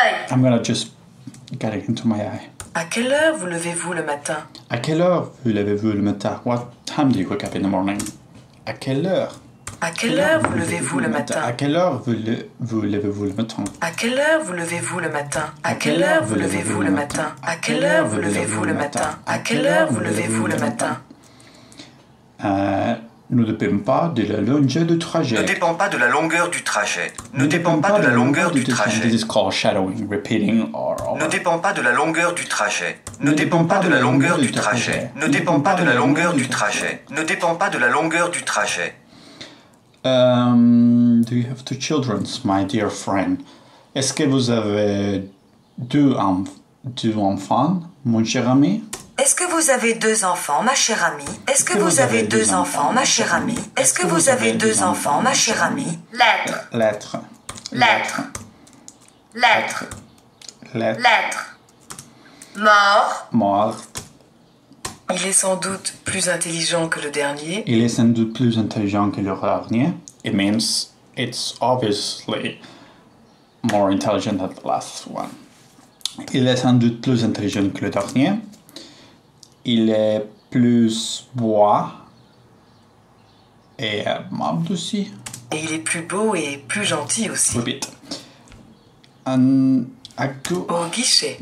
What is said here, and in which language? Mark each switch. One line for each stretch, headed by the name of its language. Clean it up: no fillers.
English: I'm gonna just get it into my eye.
French: À quelle heure vous levez-vous le matin? À quelle heure vous levez-vous le matin?
English: What time do you wake up in the morning?
French: À quelle heure? À quelle heure vous levez-vous le matin? À quelle heure vous levez-vous le matin? À quelle heure vous levez-vous le matin? À quelle heure vous levez-vous le matin? À quelle heure vous levez-vous le matin? À quelle heure vous levez-vous le matin? Ne dépend pas de la longueur du trajet. Ne dépend pas de la longueur du trajet. Ne dépend pas de la longueur du trajet.
English: This is called shadowing, repeating or.
French: Ne dépend pas de la longueur du trajet. Ne dépend pas de la longueur du trajet. Ne dépend pas de la longueur du trajet. Ne dépend pas de la longueur du trajet.
English: Do you have two children, my dear friend?
French: Est-ce que vous avez deux enfants, mon cher ami? Est-ce que vous avez deux enfants, ma chère amie? Est-ce que vous avez deux enfants, ma chère amie? Est-ce que vous avez deux enfants, ma chère amie? Lettre. Lettre. Lettre. Lettre. Lettre. Lettre. Mort. Mort. Il est sans doute plus intelligent que le dernier. Il est sans doute plus intelligent que le dernier.
English: It means it's obviously more intelligent than the last one.
French: Il est sans doute plus intelligent que le dernier. Il est plus bois et aimable aussi. Et il est plus beau et plus gentil aussi.
English: Repeat.
French: Au guichet.